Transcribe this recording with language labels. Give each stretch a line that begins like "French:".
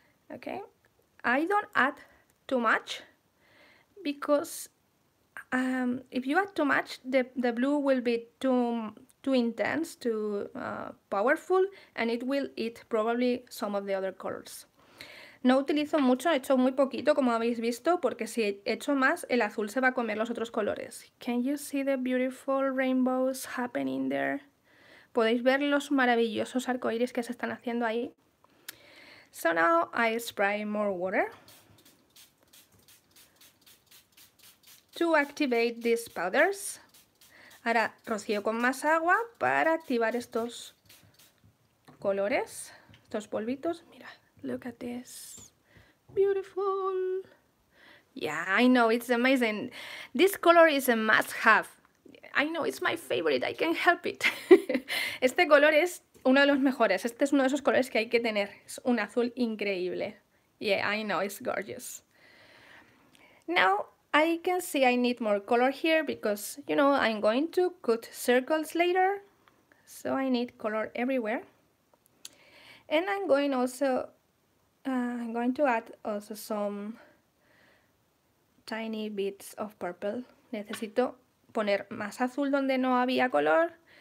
English: Okay, I don't add too much because if you add too much, the blue will be too intense, too powerful, and it will eat probably some of the other colors.
Spanish: No utilizo mucho, he hecho muy poquito, como habéis visto, porque si he hecho más, el azul se va a comer los otros colores.
English: Can you see the beautiful rainbows happening there?
Spanish: ¿Podéis ver los maravillosos arcoíris que se están haciendo ahí?
English: So now I spray more water to activate these powders.
Spanish: Ahora rocío con más agua para activar estos colores, estos polvitos. Mira,
English: look at this. Beautiful. Yeah, I know, it's amazing. This color is a must have. I know, it's my favorite, I can't help it.
Spanish: Este color es uno de los mejores. Este es uno de esos colores que hay que tener. Es un azul increíble.
English: Yeah, I know, it's gorgeous. Now, I can see I need more color here because, you know, I'm going to cut circles later. So I need color everywhere. And I'm going also, I'm going to add also some tiny bits of purple.
Spanish: Necesito poner más azul donde no había color.